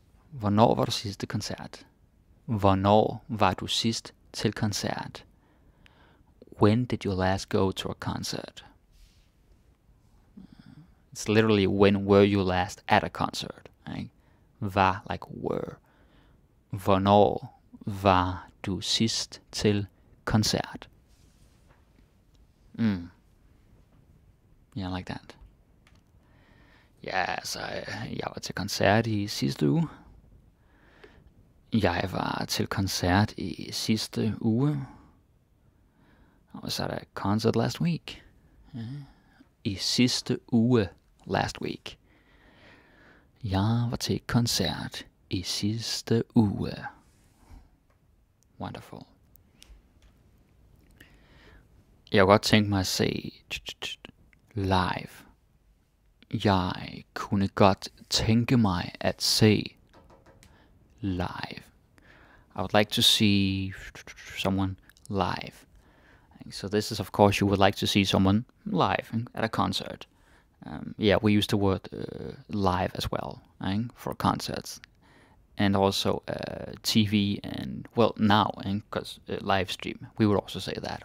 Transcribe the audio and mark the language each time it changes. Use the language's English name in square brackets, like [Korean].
[Danish] Hvornår var du sidste koncert? Hvornår var du sidst til koncert? [English] When did you last go to a concert? It's literally, when were you last at a concert? Va, right? Like were. [Danish] Hvornår var du sidst til koncert? [English] Mm. Yeah, like that. [Danish] Ja, så jeg var til koncert i sidste uge. Jeg var til koncert i sidste uge. Og så er der [English] concert last week. [Danish] Ja. I sidste uge, [English] last week. [Danish] Jeg var til koncert i sidste uge. Wonderful. Jeg kunne godt tænke mig at se live. Jeg kunne godt tænke mig at se live. [English] I would like to see someone live. So this is, of course, you would like to see someone live at a concert. Yeah, we use the word live as well, right, for concerts. And also TV and, well, now, because live stream, we would also say that.